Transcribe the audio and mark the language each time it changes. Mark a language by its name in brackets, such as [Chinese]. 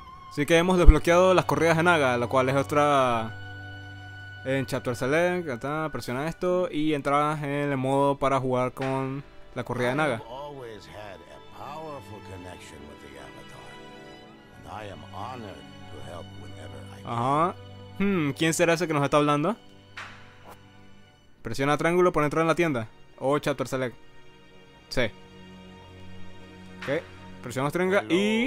[Spanish] Así que hemos desbloqueado las corridas de Naga, lo cual es otra. En Chapter Select, acá, presiona esto y entras en el modo para jugar con la corrida de [English] I have Naga. always had a powerful connection with the Avatar, and I am honored to help whenever I can. [Spanish] Ajá. ¿Quién será ese que nos está hablando? Presiona triángulo para entrar en la tienda. O Chapter Select. Sí. Ok. Presionamos triángulo y